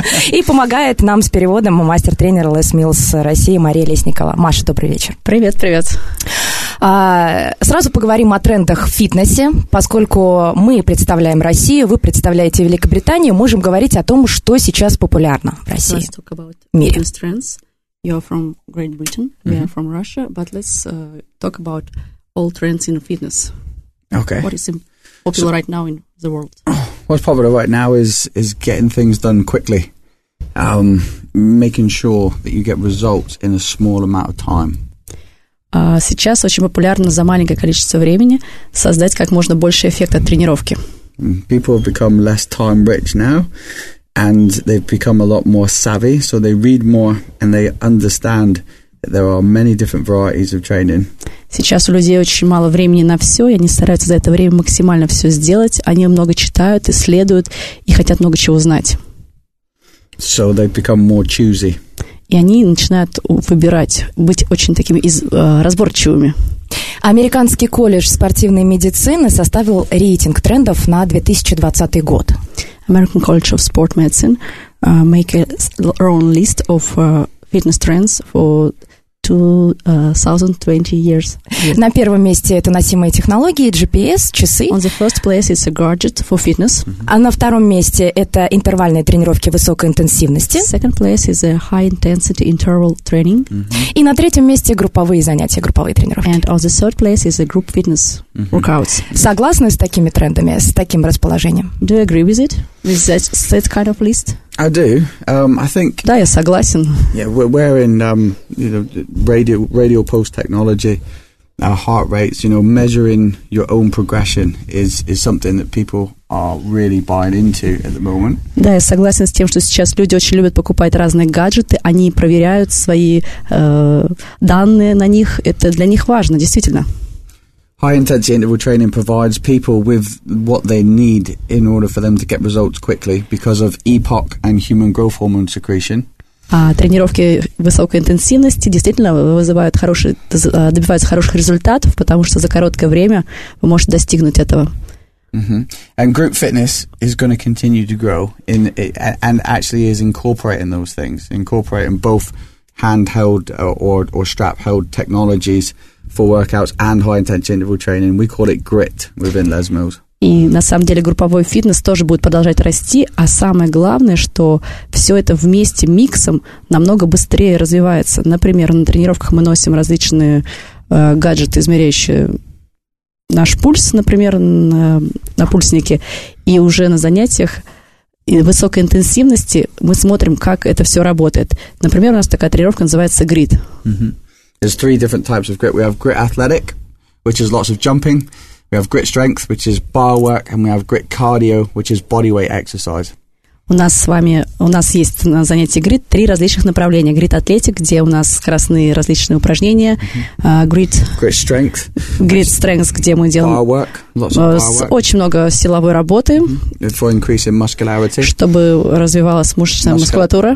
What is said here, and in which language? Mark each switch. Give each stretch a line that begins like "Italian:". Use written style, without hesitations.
Russian: И помогает нам с переводом мастер-тренер Les Mills России Мария Лесникова. Маша, добрый вечер. Привет, привет. Сразу поговорим о трендах в фитнесе. Поскольку мы представляем Россию, вы представляете Великобританию, можем говорить о том, что сейчас популярно в России.
English: Let's talk about fitness trends. You are from Great Britain, we are from Russia, but let's talk about all trends in fitness. Okay. What is popular right now in the world? What's popular right now is getting things done quickly, making sure that you get results in a small amount of time.
Russian: Сейчас очень популярно за маленькое количество времени создать как можно больше эффекта от тренировки.
English: People have become less time rich now, and they've become a lot more savvy, so they read more and they understand that there are many different varieties of training.
Russian: Сейчас у людей очень мало времени на все, и они стараются за это время максимально все сделать. Они много читают, исследуют и хотят много чего узнать.
English: So they become more choosy.
Russian: И они начинают выбирать, быть очень такими разборчивыми. Американский колледж спортивной медицины составил рейтинг трендов на 2020 год.
English: American College of Sport Medicine make their own list of fitness trends for 2020 years.
Russian: На первом месте это носимые технологии, GPS, часы.
English: On the first place is a gadget for fitness.
Russian: А на втором месте это интервальные тренировки высокой интенсивности.
English: Second place is a high intensity interval training.
Russian: И на третьем месте групповые занятия, групповые тренировки.
English: And on the third place is a group fitness workouts.
Russian: Согласны с такими трендами, с таким расположением?
English: Do you agree with it? With that kind of list? I do. I think.
Russian: Да, я согласен.
English: Yeah, we're in, radio pulse technology, our heart rates. You know, measuring your own progression is something that people are really buying into at the moment.
Russian: Да, я согласен с тем, что сейчас люди очень любят покупать разные гаджеты. Они проверяют свои данные на них. Это для них важно, действительно.
English: High intensity interval training provides people with what they need in order for them to get results quickly because of EPOC and human growth hormone secretion.
Russian: Тренировки высокой интенсивности действительно вызывают добиваются хороших результатов, потому что за короткое время вы можете достигнуть этого.
English: And group fitness is going to continue to grow and actually is incorporating those things, incorporating both handheld or strap-held technologies for workouts and high-intensity interval training. We call it GRIT within Les Mills.
Russian: И на самом деле групповой фитнес тоже будет продолжать расти, а самое главное, что все это вместе миксом намного быстрее развивается. Например, на тренировках мы носим различные гаджеты, измеряющие наш пульс, например, на пульснике, и уже на занятиях высокой интенсивности мы смотрим, как это все работает. Например, у нас такая тренировка называется GRIT.
English: There's three different types of grit. We have grit athletic, which is lots of jumping. We have grit strength, which is bar work, and we have grit cardio, which is body weight exercise.
Russian: У нас есть на занятии грит три различных направления: грит атлетик, где у нас красные различные упражнения, грит стрэнгс, где мы делаем
English: bar work, lots of bar work.
Russian: Очень много силовой работы,
English: for increasing muscularity,
Russian: чтобы развивалась мышечная мускулатура,